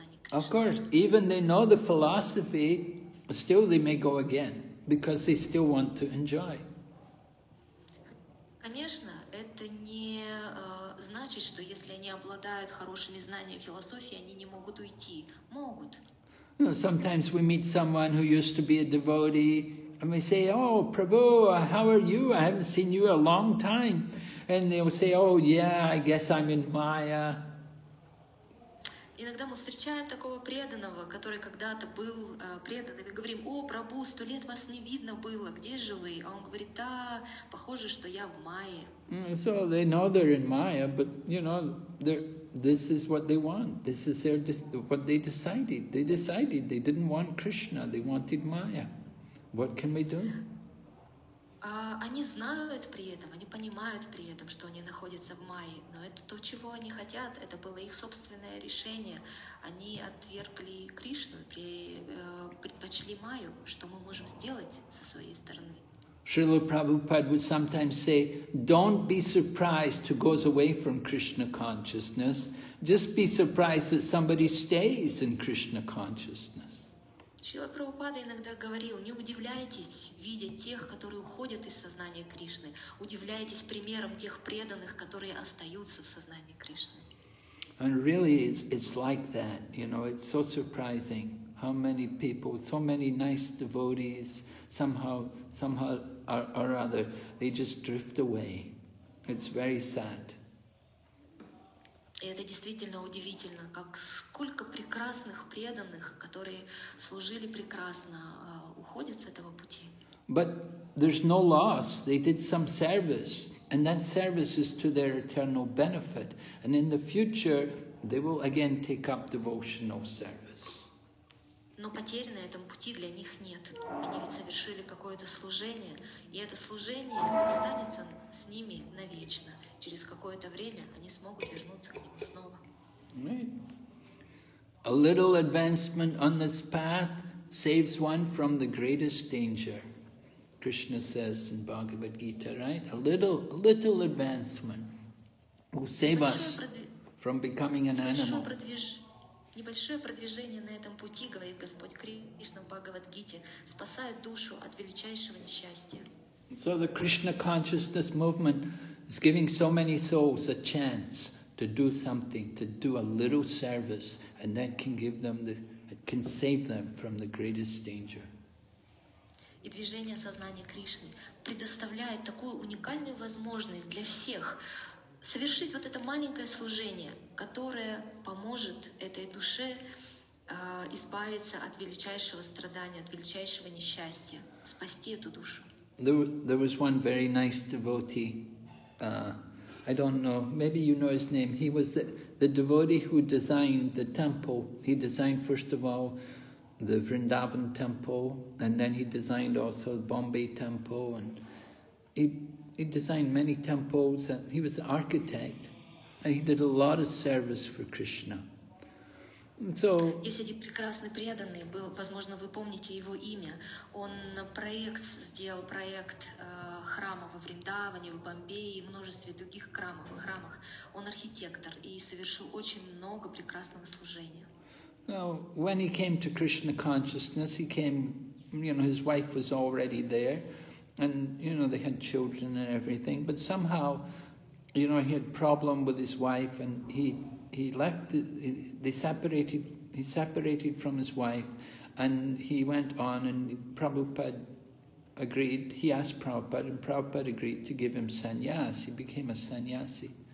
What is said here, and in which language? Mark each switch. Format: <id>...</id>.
<en>Of course, even they know the philosophy, still they may go again because they still want to enjoy.</en> <ru>Конечно, это не значит, что если они обладают хорошими знаниями философии, они не могут уйти. Могут.</ru> <en>You know, sometimes we meet someone who used to be a devotee, and we say, "Oh, Prabhu, how are you? I haven't seen you a long time." And they will say, "Oh, yeah, I guess I'm in Maya."</en> <ru>Иногда мы встречаем такого преданного, который когда-то был преданным, и говорим: «О, Прабху, 100 лет вас не видно было, где же вы?» А он говорит: «Да, похоже, что я в Майе».</ru> <en>So they know they're in Maya, but you know, this is what they want. This is their what they decided. They decided they didn't want Krishna, they wanted Maya. What can we do?</en> <ru>Они знают при этом, они понимают при этом, что они находятся в Майе, но это то, чего они хотят, это было их собственное решение. Они отвергли Кришну, предпочли Майю. Что мы можем сделать со своей стороны?</ru> <en>Шрила Прабхупада would sometimes say, don't be surprised who goes away from Krishna consciousness, just be surprised that somebody stays in Krishna consciousness.</en> <ru>Шрила Прабхупада иногда говорил: не удивляйтесь, видя тех, которые уходят из сознания Кришны, удивляйтесь примером тех преданных, которые остаются в сознании Кришны.</ru> <en>And really it's like that, you know, it's so surprising how many people, so many nice devotees, somehow or other, they just drift away. It's very sad.</en> <ru>И это действительно удивительно, как сколько прекрасных преданных, которые служили прекрасно, уходят с этого пути.</ru> <en>But there's no loss. They did some service, and that service is to their eternal benefit. And in the future, they will again take up devotional service.</en> <ru>Но потери на этом пути для них нет. Они ведь совершили какое-то служение, и это служение останется с ними навечно. Через какое-то время они смогут вернуться к нему снова.</ru> <en>A little advancement on this path saves one from the greatest danger. Krishna says in Bhagavad Gita, right? A little advancement will save us from becoming an animal.</en> <ru>Небольшое продвижение на этом пути, говорит Господь Кришна в Бхагавад Гите, спасает душу от величайшего несчастья.</ru> <en>So the Krishna consciousness movement is giving so many souls a chance to do something, to do a little service, and that can give them can save them from the greatest danger.</en> <ru>И движение сознания Кришны предоставляет такую уникальную возможность для всех совершить вот это маленькое служение, которое поможет этой душе избавиться от величайшего страдания, от величайшего несчастья, спасти эту душу.</ru> <en>There was one very nice devotee. I don't know, maybe you know his name. He was the devotee who designed the temple. He designed, first of all, the Vrindavan temple, and then he designed also the Bombay temple, and he designed many temples, and he was the architect, and he did a lot of service for Krishna. So,</en> <ru>есть один прекрасный преданный, был, возможно, вы помните его имя. Он сделал проект храма во Вриндаване, в Бомбее и множестве других храмов. Он архитектор и совершил очень много прекрасного служения.</ru> <en>Now, when he came to Krishna consciousness, he came, you know, his wife was already there, and you know, they had children and everything, but somehow, you know, he had problem with his wife, and he separated from his wife, and he went on, and Prabhupada agreed, he asked Prabhupada, and Prabhupada agreed to give him sannyas. He became a sannyasi.</en>